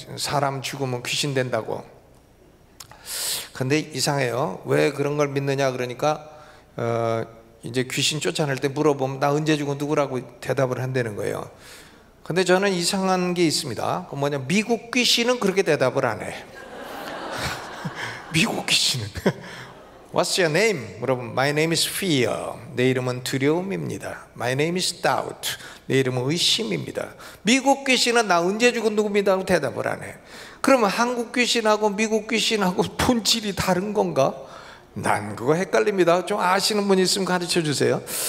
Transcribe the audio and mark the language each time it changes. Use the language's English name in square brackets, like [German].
[Korean] 사람 죽으면 귀신 된다고. 근데 이상해요. 왜 그런 걸 믿느냐 그러니까 이제 귀신 쫓아낼 때 물어보면 나 언제 죽어 누구라고 대답을 한다는 거예요. 근데 저는 이상한 게 있습니다. 뭐냐 미국 귀신은 그렇게 대답을 안 해. 미국 귀신은 [English] What's your name? [Korean] 물어보면 [English] My name is fear. [Korean] 내 이름은 두려움입니다. [English] My name is doubt. [Korean] 내 이름은 의심입니다. 미국 귀신은 나 언제 죽어 누굽니다 하고 대답을 안 해. 그러면 한국 귀신하고 미국 귀신하고 본질이 다른 건가? 난 그거 헷갈립니다. 좀 아시는 분 있으면 가르쳐 주세요.